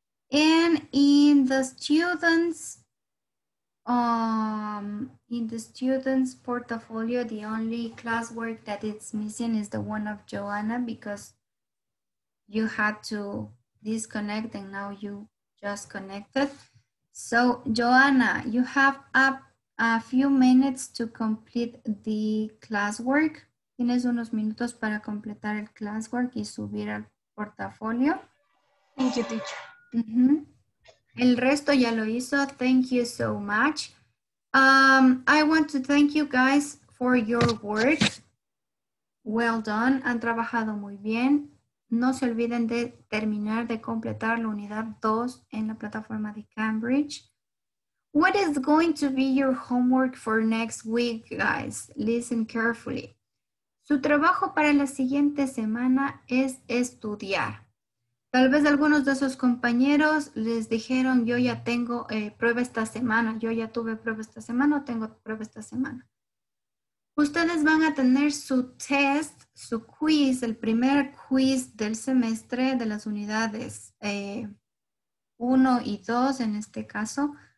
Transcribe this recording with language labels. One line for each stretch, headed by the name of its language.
English: And in the students, in the students' portfolio, the only classwork that is missing is the one of Joanna because you had to disconnect and now you just connected. So, Joanna, you have a few minutes to complete the classwork.
Spanish: Tienes unos minutos para completar el classwork y subir al portafolio.
English: Thank you, teacher.
Spanish: Mm-hmm. El resto ya lo hizo.
English: Thank you so much. I want to thank you guys for your work. Well done.
Spanish: Han trabajado muy bien. No se olviden de terminar de completar la unidad 2 en la plataforma de Cambridge.
English: What is going to be your homework for next week, guys? Listen carefully.
Spanish: Su trabajo para la siguiente semana es estudiar. Tal vez algunos de sus compañeros les dijeron, yo ya tengo prueba esta semana, yo ya tuve prueba esta semana o tengo prueba esta semana. Ustedes van a tener su test, su quiz, el primer quiz del semestre de las unidades 1 y 2 en este caso.